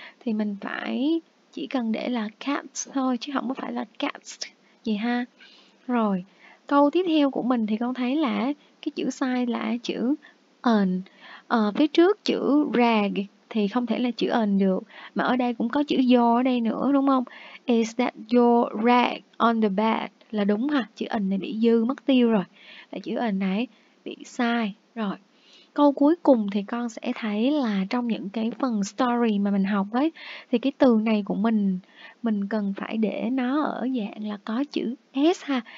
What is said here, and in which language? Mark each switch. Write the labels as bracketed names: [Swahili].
[Vietnamese] Thì mình phải chỉ cần để là cat thôi chứ không có phải là cat gì ha. Rồi, câu tiếp theo của mình thì con thấy là cái chữ sai là chữ an. Phía trước chữ rag thì không thể là chữ an được, mà ở đây cũng có chữ your ở đây nữa đúng không? [English] Is that your rag on the bed? [Vietnamese] Là đúng ha, chữ an này bị dư mất tiêu rồi, là chữ an này bị sai rồi. Câu cuối cùng thì con sẽ thấy là trong những cái phần story mà mình học ấy, thì cái từ này của mình cần phải để nó ở dạng là có chữ s ha.